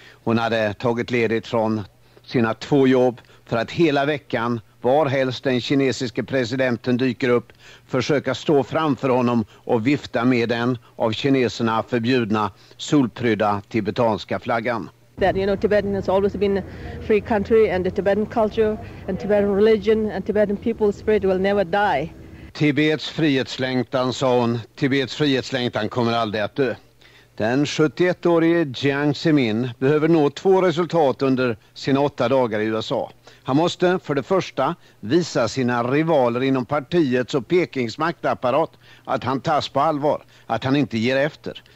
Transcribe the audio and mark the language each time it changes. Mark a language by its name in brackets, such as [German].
[Swedish] Hon hade tagit ledigt från sina två jobb för att hela veckan, varhelst den kinesiske presidenten dyker upp, försöka stå framför honom och vifta med den av kineserna förbjudna solprydda tibetanska flaggan. [English] That, you know, Tibetan has always been a free country and the Tibetan culture and Tibetan religion and Tibetan people's spirit will never die. [Swedish] Tibets frihetslängtan, sa hon. Tibets frihetslängtan kommer aldrig att dö. Den 71-årige Jiang Zemin behöver nå två resultat under sina 8 dagar i USA. Han måste för det första visa sina rivaler inom partiets och Pekings maktapparat att han tas på allvar, att han inte ger efter.